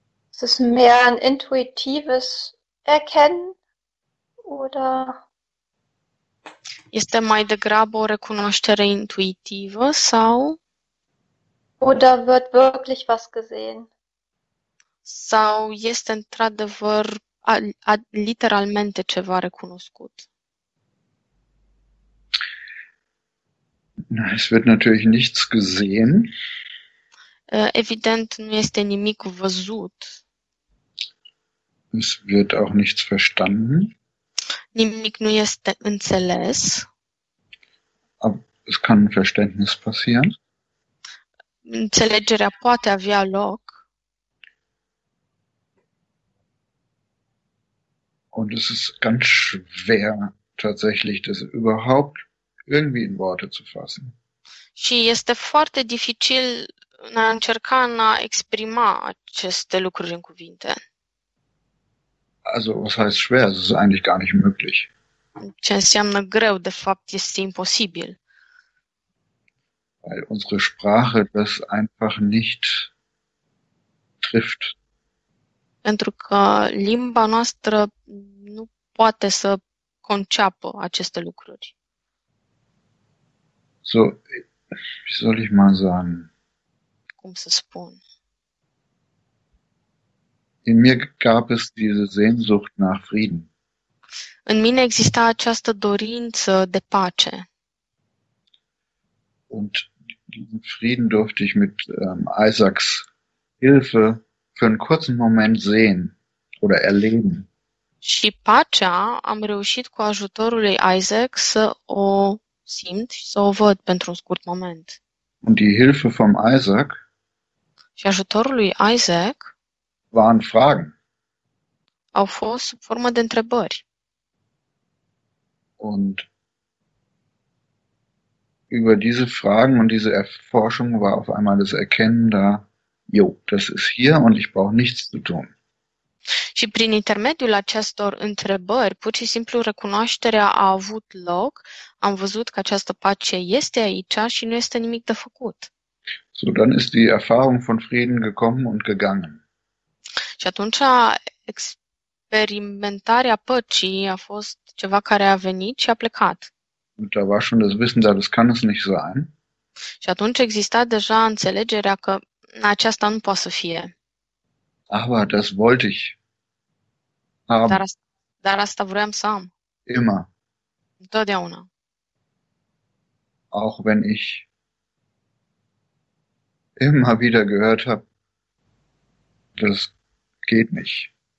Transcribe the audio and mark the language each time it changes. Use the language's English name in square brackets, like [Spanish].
[German] Ist es mehr ein intuitives Erkennen oder? [Romanian] Este mai degrabă o recunoaștere intuitivă sau? [German] Oder wird wirklich was gesehen? [Romanian] Sau este într-adevăr literalmente ceva recunoscut? [German] Na, es wird natürlich nichts gesehen. [Romanian] Evident, nu este nimic văzut. [German] Es wird auch nichts verstanden. [Romanian] Nimic nu este înțeles. [German] Aber es kann ein Verständnis passieren. [Romanian] Înțelegerea poate avea loc. [German] Und es ist ganz schwer, tatsächlich das überhaupt irgendwie in Worte zu fassen. [Romanian] Și este foarte dificil în a încerca în a exprima aceste lucruri în cuvinte. [German] Also, was heißt schwer? Es ist eigentlich gar nicht möglich. [Romanian] Ce înseamnă greu, de fapt, este imposibil. [German] Weil unsere Sprache das einfach nicht trifft. [Romanian] Pentru că limba noastră nu poate să conceapă aceste lucruri. [German] So, wie soll ich mal sagen? [Romanian] Cum să spun? [German] In mir gab es diese Sehnsucht nach Frieden. [Romanian] În mine exista această dorință de pace. [German] Und diesen Frieden durfte ich mit Isaacs Hilfe für einen kurzen Moment sehen oder erleben. [Romanian] Și pacea am reușit cu ajutorul lui Isaac să o simt și să o văd pentru un scurt moment. [German] Und die Hilfe vom Isaac [Romanian] Și ajutorul lui Isaac [German] waren Fragen. [Romanian] au fost sub formă de întrebări. [German] Und über diese Fragen und diese Erforschung war auf einmal das Erkennen da, jo, das ist hier und ich brauche nichts zu tun. [Romanian] Și prin intermediul acestor întrebări, pur și simplu recunoașterea a avut loc. Am văzut că această pace este aici și nu este nimic de făcut. [German] So, dann ist die Erfahrung von Frieden gekommen und gegangen. [Romanian] Și atunci experimentarea păcii a fost ceva care a venit și a plecat. [German] Und da war schon das Wissen da, das kann es nicht sein. [Romanian] Și atunci exista deja înțelegerea că aceasta nu poate să fie. [German] Aber das wollte ich haben. [Romanian] Dar asta vroiam să am. [German] Immer. [Romanian] Întotdeauna. [German] Auch wenn ich immer wieder gehört habe, das geht nicht.